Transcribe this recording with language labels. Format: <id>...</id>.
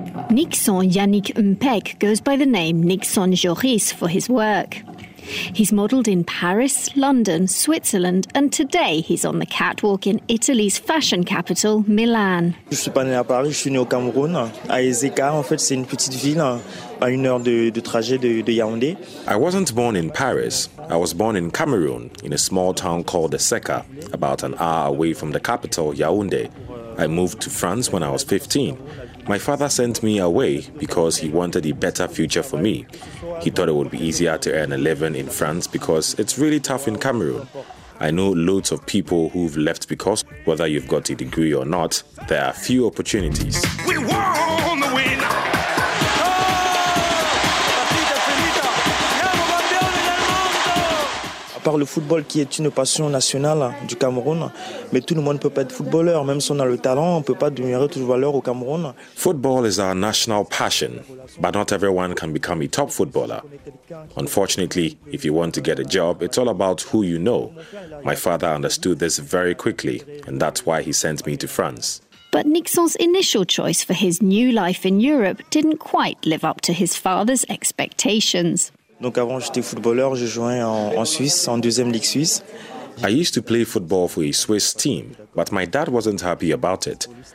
<en>Nixon Yannick Mpek goes by the name Nixon Joris for his work. He's modelled in Paris, London, Switzerland, and today he's on the catwalk in Italy's fashion capital, Milan.</en> <fr>Je suis pas né à Paris, je suis né au Cameroun. À Ezeka, en fait, c'est une petite ville à une heure de trajet de Yaoundé.</fr> <en>I wasn't born in Paris. I was born in Cameroon, in a small town called Ezeka, about an hour away from the capital, Yaoundé. I moved to France when I was 15. My father sent me away because he wanted a better future for me. He thought it would be easier to earn a living in France because it's really tough in Cameroon. I know loads of people who've left because, whether you've got a degree or not, there are few opportunities. We won the win!</en> <fr>Par le football qui est une passion nationale du Cameroun, mais tout le monde ne peut pas être footballeur, même si on a le talent, on ne peut pas demeurer toujours valeur au Cameroun.</fr> <en>Football is our national passion, but not everyone can become a top footballer. Unfortunately, if you want to get a job, it's all about who you know. My father understood this very quickly, and that's why he sent me to France. But Nixon's initial choice for his new life in Europe didn't quite live up to his father's expectations.</en> <fr>Donc avant j'étais footballeur, je jouais en Suisse, en deuxième ligue suisse.</fr> <en>I used to play football for a Swiss team, but my dad wasn't happy about it.</en>